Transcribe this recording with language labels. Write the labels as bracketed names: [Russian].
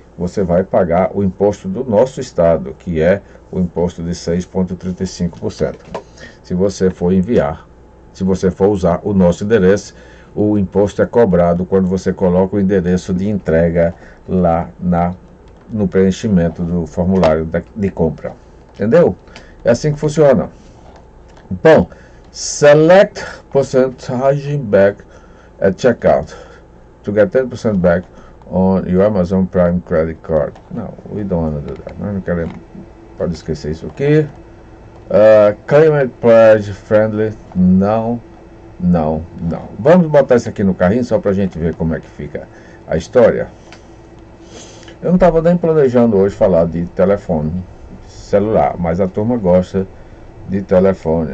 [Portuguese] você vai pagar o imposto do nosso estado, que é o imposto de 6,35%. Se você for enviar, se você for usar o nosso endereço, o imposto é cobrado quando você coloca o endereço de entrega lá no preenchimento do formulário de compra. Entendeu? É assim que funciona. [English] Bom, select percentage back at checkout to get 10% back on your Amazon Prime credit card. [Portuguese] Não, [English] we don't want to do that. [Portuguese] Não quero, pode esquecer isso aqui. [English] Climate pledge friendly. [Portuguese] Não, não, não. Vamos botar isso aqui no carrinho só pra gente ver como é que fica a história. Eu não estava nem planejando hoje falar de telefone celular, mas a turma gosta de telefone.